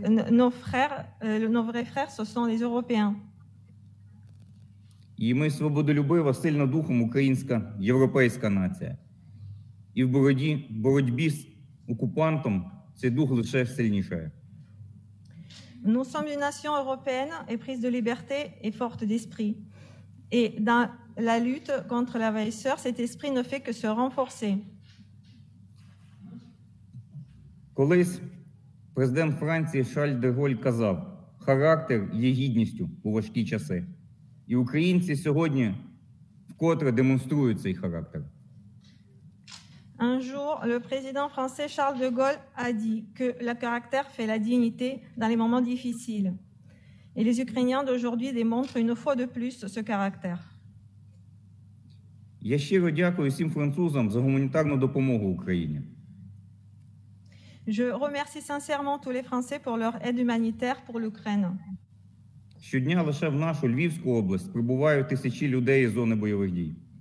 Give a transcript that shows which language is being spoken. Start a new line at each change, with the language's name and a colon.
French: Nos vrais frères, ce sont les Européens.
Ukrainian: І ми свободолюбива, сильна духом українська, європейська нація. І в боротьбі з окупантом цей дух лише сильнішає.
French: Nous sommes une nation européenne, éprise de liberté et forte d'esprit. Et dans la lutte contre l'envahisseur, cet esprit ne fait que se renforcer.
Ukrainian: Колись президент Франції Шарль де Голль казав: характер є гідністю у важкі часи. І українці сьогодні вкотре демонструють цей характер.
French: Un jour, le président français Charles de Gaulle a dit que le caractère fait la dignité dans les moments difficiles. Et les Ukrainiens d'aujourd'hui démontrent une fois de plus ce caractère.
Ukrainian: Я щиро дякую всім французам за гуманітарну допомогу Україні.
French: Je remercie sincèrement tous les Français pour leur aide humanitaire pour l'Ukraine.
Ukrainian: Щодня лише в нашу Львівську область прибувають тисячі людей із зони бойових дій.